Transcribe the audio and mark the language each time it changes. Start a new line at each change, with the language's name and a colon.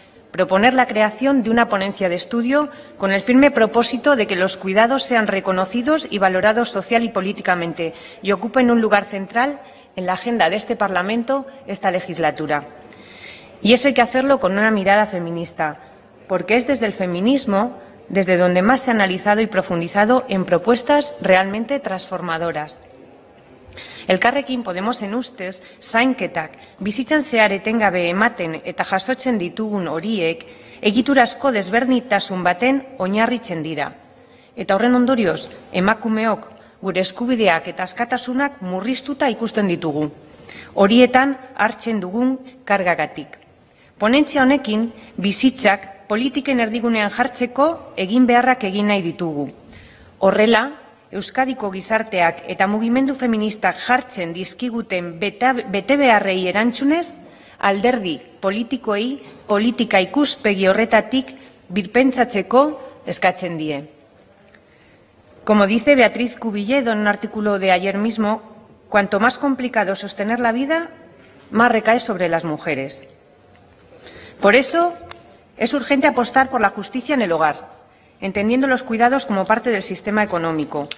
Spanish: Proponer la creación de una ponencia de estudio con el firme propósito de que los cuidados sean reconocidos y valorados social y políticamente y ocupen un lugar central en la agenda de este Parlamento esta legislatura. Y eso hay que hacerlo con una mirada feminista, porque es desde el feminismo desde donde más se ha analizado y profundizado en propuestas realmente transformadoras.
Basque: Elkarrekin Podemosen ustez, zainketak, bizitzan zehar etengabe ematen eta jasotzen ditugun horiek, egiturazko desberdintasun baten oinarritzen dira. Eta horren ondorioz, emakumeok, gure eskubideak eta askatasunak murriztuta ikusten ditugu. Horietan hartzen dugun kargagatik. Ponentzia honekin, bizitzak politiken erdigunean jartzeko egin beharrak egin nahi ditugu. Horrela, Euskadiko gizarteak eta mugimendu feministak jartzen dizkiguten bete beharrei erantzunez, alderdi politikoei politika ikuspegi horretatik birpentsatzeko eskatzen die.
Spanish: Como dice Beatriz Cubilledo en un artículo de ayer mismo, cuanto más complicado sostener la vida, más recae sobre las mujeres. Por eso, es urgente apostar por la justicia en el hogar, entendiendo los cuidados como parte del sistema económico.